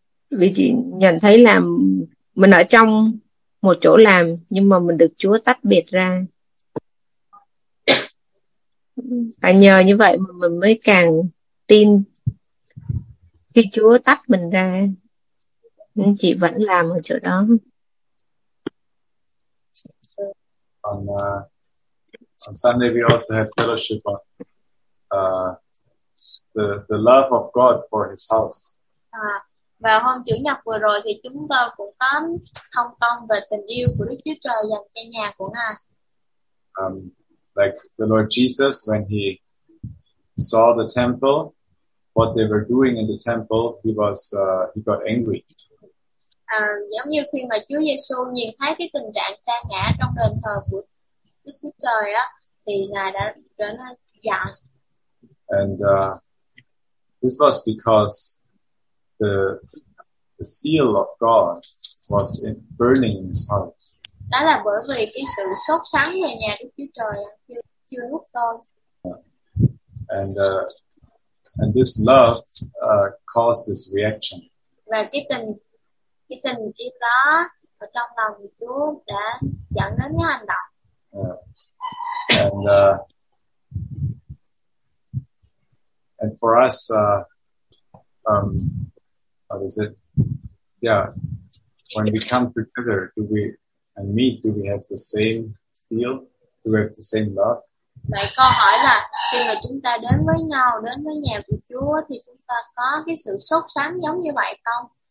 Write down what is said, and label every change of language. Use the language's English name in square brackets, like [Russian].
[Vietnamese] Vì chị nhận thấy là mình ở trong một chỗ làm, nhưng mà mình được Chúa tách biệt ra. Và nhờ như vậy mà mình mới càng tin khi Chúa tách mình ra, nhưng chị vẫn làm ở chỗ đó. [English] On Sunday we also had fellowship on the love of God for His house. [Vietnamese] Và hôm Chủ nhật vừa rồi thì chúng tôi cũng có thông công về tình yêu của Đức Chúa Trời dành cho nhà của Ngài. [English] Like the Lord Jesus, when He saw the temple, what they were doing in the temple, He got angry. [Vietnamese] Giống như khi mà Chúa Giêsu nhìn thấy cái tình trạng sa ngã trong đền thờ của Đức Chúa Trời á, thì Ngài đã trở nên giận. [English] And this was because the seal of God was burning in his heart. [Vietnamese] Đó là bởi vì cái sự sốt sắng về nhà Đức Chúa Trời chưa đốt thôi. [English] And this love caused this reaction. [Vietnamese] Và cái tình yêu đó ở trong lòng Chúa đã dẫn đến cái hành động. [English] And for us, what is it? Yeah, when we come together, do we have the same steel? Do we have the same love? [Vietnamese] Vậy câu hỏi là khi mà chúng ta đến với nhau, đến với nhà của Chúa, thì chúng ta có cái sự sốt sắng giống như vậy không?